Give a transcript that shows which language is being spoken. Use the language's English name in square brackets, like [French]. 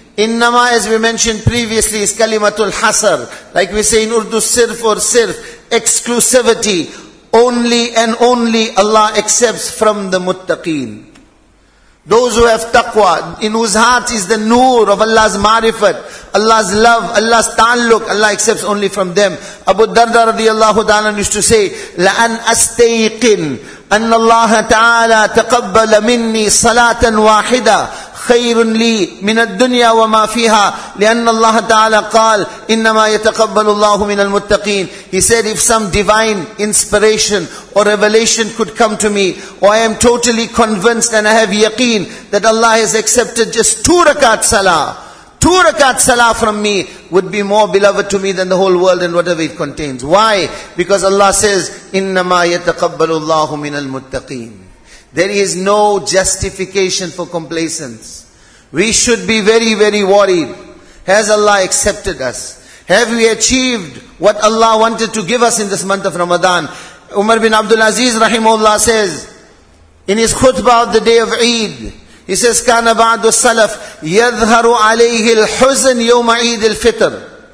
[English] Innama, as we mentioned previously, is kalimatul hasr, like we say in Urdu, [Urdu] sirf or sirf, [English] exclusivity. Only and only Allah accepts from the muttaqeen. Those who have taqwa, in whose heart is the nur of Allah's marifat, Allah's love, Allah's ta'alluq, Allah accepts only from them. Abu Darda radiallahu ta'ala used to say, [Arabic] لَأَنْ أَسْتَيْقِنْ أَنَّ اللَّهَ تَعَالَى تَقَبَّلَ مِنِّي صَلَاةً وَاحِدًا خَيْرٌ لِي مِنَ الدُّنْيَا وَمَا فِيهَا لِأَنَّ اللَّهَ تَعَالَى قَالَ إِنَّمَا يَتَقَبَّلُ اللَّهُ مِنَ الْمُتَّقِينَ. [English] He said, if some divine inspiration or revelation could come to me, or I am totally convinced and I have yaqeen that Allah has accepted just two rakat salah from me, would be more beloved to me than the whole world and whatever it contains. Why? Because Allah says, [Arabic] إِنَّمَا يَتَقَبَّلُ اللَّهُ مِنَ الْمُتَّقِينَ. [English] There is no justification for complacence. We should be very, very worried. Has Allah accepted us? Have we achieved what Allah wanted to give us in this month of Ramadan? Umar bin Abdul Aziz rahimahullah says, in his khutbah of the day of Eid, he says, [Arabic] كَانَ بَعْدُ السَّلَفْ يَظْهَرُ عَلَيْهِ الْحُزْنْ يَوْمَ عِيدِ الْفِطْرِ.